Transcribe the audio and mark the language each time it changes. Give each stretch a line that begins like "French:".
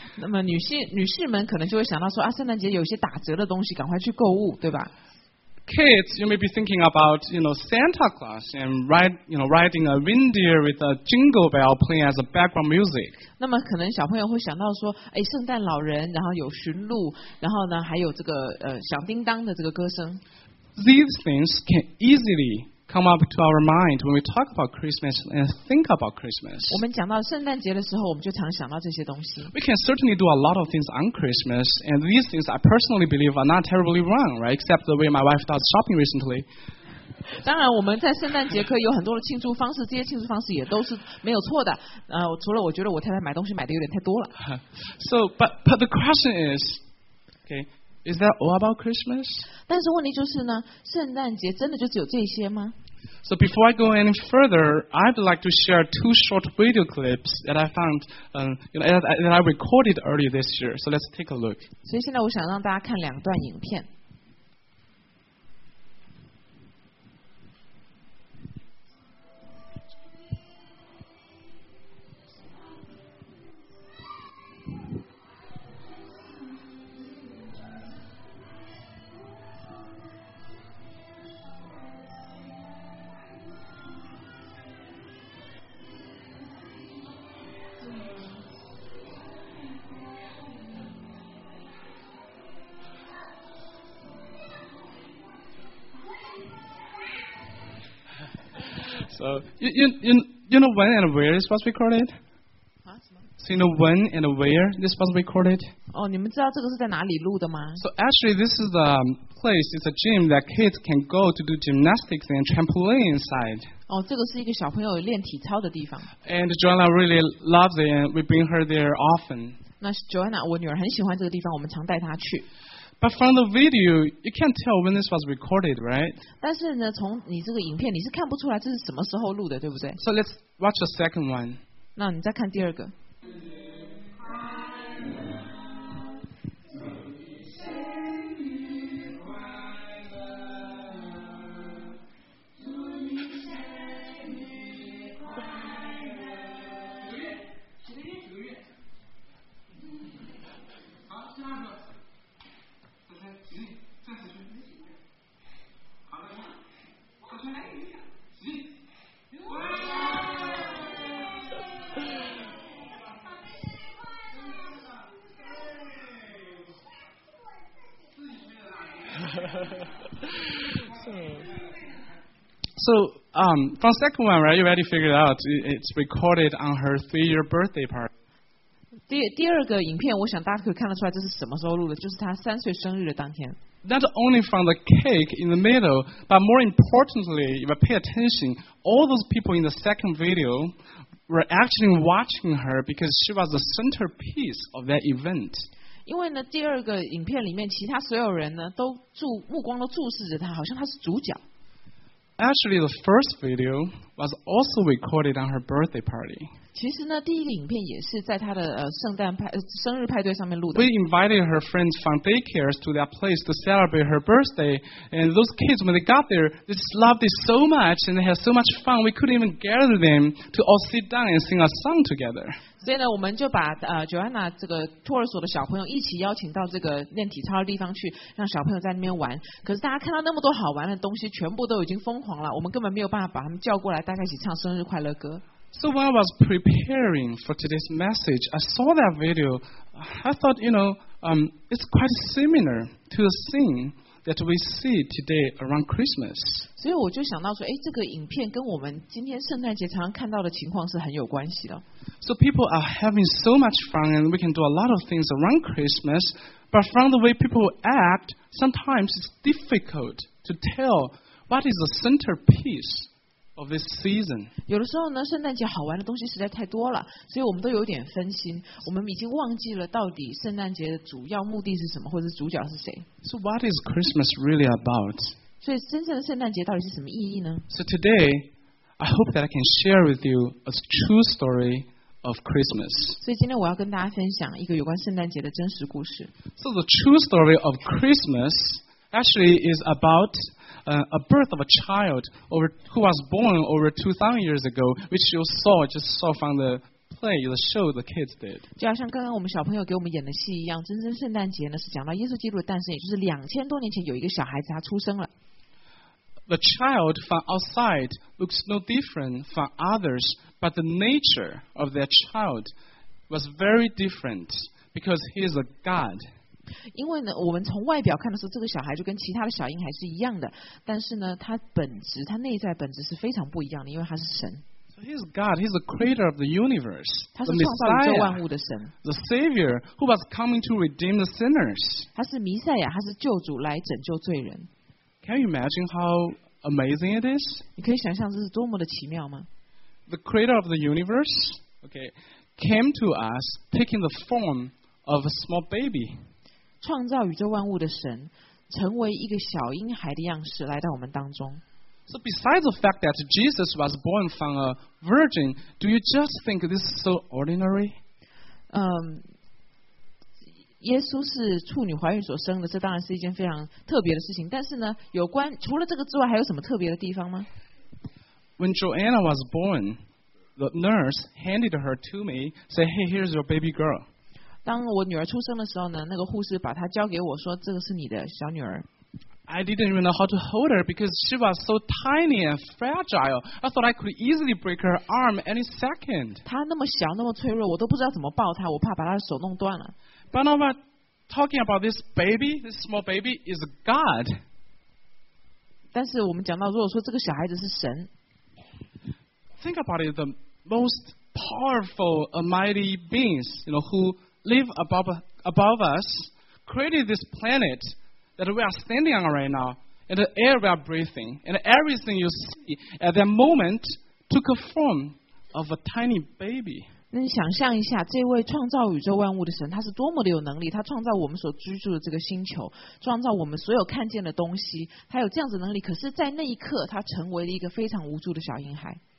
Chinese: 那么女士们可能就会想到说，啊，圣诞节有些打折的东西，赶快去购物，对吧？
English: Kids, you may be thinking about, you know, Santa Claus and riding a reindeer with a jingle bell playing as a background music.
Chinese: 那么可能小朋友会想到说，哎，圣诞老人，然后有驯鹿，然后呢还有这个响叮当的这个歌声。
English: These things can easily come up to our mind when we talk about Christmas and think about Christmas.
Chinese: 我们讲到圣诞节的时候，我们就常想到这些东西。
English: We can certainly do a lot of things on Christmas, and these things I personally believe are not terribly wrong, right? Except the way my wife does shopping recently.
Chinese: 当然，我们在圣诞节可以有很多的庆祝方式，这些庆祝方式也都是没有错的。除了我觉得我太太买东西买的有点太多了。
English: So, but the question is, okay. Is that all about Christmas?
Chinese: 但是问题就是呢，圣诞节真的就只有这些吗？
English: So before I go any further, I'd like to share two short video clips that I found, that I recorded earlier this year. So let's take a look.
Chinese: 所以现在我想让大家看两段影片。
English: So you know when and where this was recorded? So you know when and where this was recorded?
Chinese: 哦，你们知道这个是在哪里录的吗？
English: So actually, this is a place. It's a gym that kids can go to do gymnastics and trampoline inside.
Chinese: 哦，这个是一个小朋友练体操的地方。
English: And Joanna really loves it, and we bring her there often.
Chinese: 那 Joanna, 我女儿很喜欢这个地方，我们常带她去。
English: But from the video, you can't tell when this was recorded, right?
Chinese: 但是呢，从你这个影片，你是看不出来这是什么时候录的，对不对？
English: So let's watch the second one.
Chinese: 那你再看第二个。
English: So, from second one, right? You already figured out it's recorded on her 3-year birthday party.
Chinese: 第二个影片，我想大家可以看得出来这是什么时候录的，就是她三岁生日的当天。
English: Not only from the cake in the middle, but more importantly, if you pay attention, all those people in the second video were actually watching her because she was the centerpiece of that event.
Chinese: 因为呢，第二个影片里面，其他所有人呢，都目光都注视着他，好像他是主角。
English: Actually, the first video was also recorded on her birthday party.
Chinese: 其实呢，第一个影片也是在她的圣诞派生日派对上面录的。
English: We invited her friends from daycares to that place to celebrate her birthday, and those kids when they got there, they just loved it so much and they had so much fun. We couldn't even gather them to all sit down and sing a song together.
Chinese: 所以呢，我们就把Joanna 这个托儿所的小朋友一起邀请到这个练体操的地方去，让小朋友在那边玩。可是大家看到那么多好玩的东西，全部都已经疯狂了，我们根本没有办法把他们叫过来，大家一起唱生日快乐歌。
English: So when I was preparing for today's message, I saw that video. I thought, you know, it's quite similar to the scene that we see today around Christmas.
Chinese: 所以我就想到说，哎，这个影片跟我们今天圣诞节常常看到的情况是很有关系的。
English: So people are having so much fun, and we can do a lot of things around Christmas. But from the way people act, sometimes it's difficult to tell what is the centerpiece. Of this season.
Chinese: 有的时候呢，圣诞节好玩的东西实在太多了，所以我们都有点分心，我们已经忘记了到底圣诞节的主要目的是什么，或者主角是谁。
English: So what is Christmas really about?
Chinese: 所以真正的圣诞节到底是什么意义呢？
English: So today, I hope that I can share with you a true story of Christmas.
Chinese: 所以今天我要跟大家分享一个有关圣诞节的真实故事。
English: So the true story of Christmas actually is abouta birth of a child over, who was born over 2,000 years ago, which you saw, just saw from the play, the show the kids did.
Chinese: 就好像刚刚我们小朋友给我们演的戏一样，真正圣诞节呢，是讲到耶稣基督的诞生，也就是2000多年前有一个小孩子他出生了。
English: The child from outside looks no different from others, but the nature of their child was very different because he is a God.
Chinese: 因为呢，我们从外表看的时候，这个小孩就跟其他的小婴孩是一样的。但是呢，他本质，他内在本质是非常不一样的，因为他是神。
English: So、he's God. He's the creator of the universe.
Chinese: 他是创造宇宙万物的神。
English: The Savior who was coming to redeem the sinners.
Chinese: 他是弥赛亚，他是救主，来拯救罪人。
English: Can you imagine how amazing it is?
Chinese: 你可以想象这是多么的奇妙吗
English: ？The creator of the universe, okay, came to us taking the form of a small baby.
Chinese: 创造宇宙万物的神成为一个小婴孩的样式来到我们当中。
English: So besides the fact that Jesus was born from a virgin, do you just think this is so ordinary?
Chinese: 耶稣是处女怀孕所生的，这当然是一件非常特别的事情。但是呢，有关除了这个之外还有什么特别的地方吗？
English: When Joanna was born, the nurse handed her to me, said, hey, here's your baby girl.
Chinese: 当我女儿出生的时候呢，那个护士把她交给我说，这个是你的小女儿。
English: I didn't even know how to hold her because she was so tiny and fragile. I thought I could easily break her arm any second.
Chinese: 她那么小，那么脆弱，我都不知道怎么抱她，我怕把她的手弄断了。
English: But now, talking about this baby, this small baby is God.
Chinese: 但是我们讲到，如果说这个小孩子是神
English: ，Think about it, the most powerful, almighty beings, you know, who live above us, created this planet that we are standing on right now, and the air we are breathing, and everything you see at that moment took a form of a tiny baby.
Chinese: 那你想象一下，这位创造宇宙万物的神，他是多么的有能力？他创造我们所居住的这个星球，创造我们所有看见的东西，他有这样子的能力。可是，在那一刻，他成为了一个非常无助的小婴孩。